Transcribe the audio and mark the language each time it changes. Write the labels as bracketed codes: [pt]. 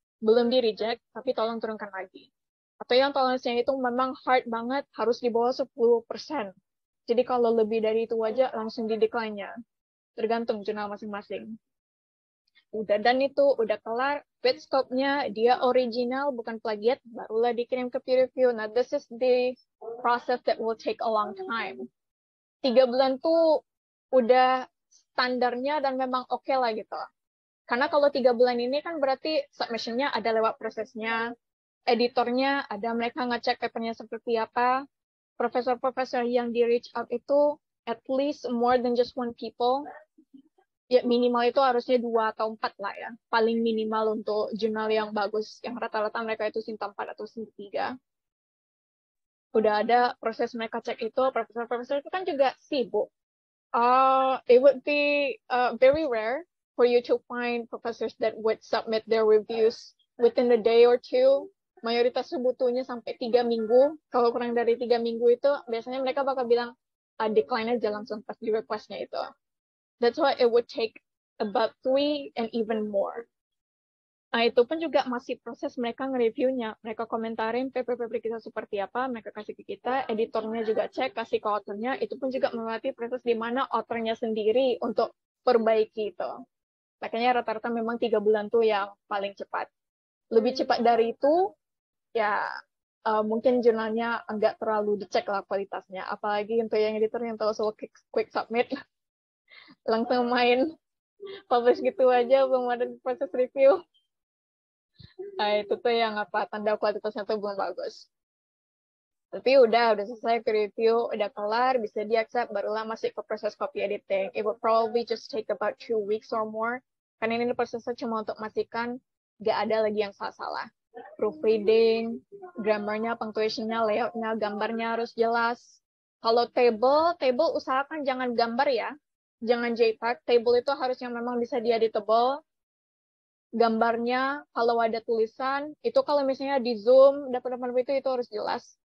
[id] Belum di reject, tapi tolong turunkan lagi. Atau yang tolerance-nya itu memang hard banget, harus di bawah 10%. Jadi kalau lebih dari itu aja, langsung di decline-nya. Tergantung jurnal masing-masing. Udah done itu, udah kelar. Paid scope-nya, dia original, bukan plagiat, barulah dikirim ke peer review. [en] Nah, this is the process that will take a long time. [id] 3 bulan tuh udah standarnya dan memang oke lah gitu. Karena kalau 3 bulan ini kan berarti submission-nya ada lewat prosesnya. Editornya ada, mereka ngecek papernya seperti apa. Profesor-profesor yang di [en] reach out itu at least more than just one people. [id] Ya, minimal itu harusnya 2 atau 4 lah ya. Paling minimal untuk jurnal yang bagus, yang rata-rata mereka itu sinta 4 atau sinta 3. Udah ada proses mereka cek itu, profesor-profesor itu kan juga sibuk. [en] It would be very rare for you to find professors that would submit their reviews within a day or two. [id] Mayoritas butuhnya sampai 3 minggu. Kalau kurang dari 3 minggu itu, biasanya mereka bakal bilang, decline aja langsung pas di request-nya itu. [en] That's why it would take about 3 and even more. [id] Nah, itu pun juga masih proses mereka nge-review-nya. Mereka komentarin paper-paper kita seperti apa, mereka kasih ke kita, editornya juga cek, kasih ke author-nya. Itu pun juga melewati proses di mana author-nya sendiri untuk perbaiki itu. Makanya rata-rata memang 3 bulan tuh yang paling cepat. Lebih cepat dari itu, ya mungkin jurnalnya nggak terlalu dicek lah kualitasnya. Apalagi untuk yang editor yang tahu soal quick submit. Langsung main publish gitu aja, belum ada proses review. Itu tuh yang apa, tanda kualitasnya tuh belum bagus. Tapi udah selesai review, udah kelar, bisa di-accept, barulah masuk ke proses copy editing. [en] It would probably just take about 2 weeks or more. [id] Karena ini prosesnya cuma untuk memastikan gak ada lagi yang salah-salah. Proofreading, grammarnya, punctuation-nya, layout-nya, gambarnya harus jelas. Kalau table usahakan jangan gambar ya. Jangan JPEG. Table itu harus yang memang bisa di-editable. Gambarnya, kalau ada tulisan, itu kalau misalnya di Zoom, depan-depan itu harus jelas.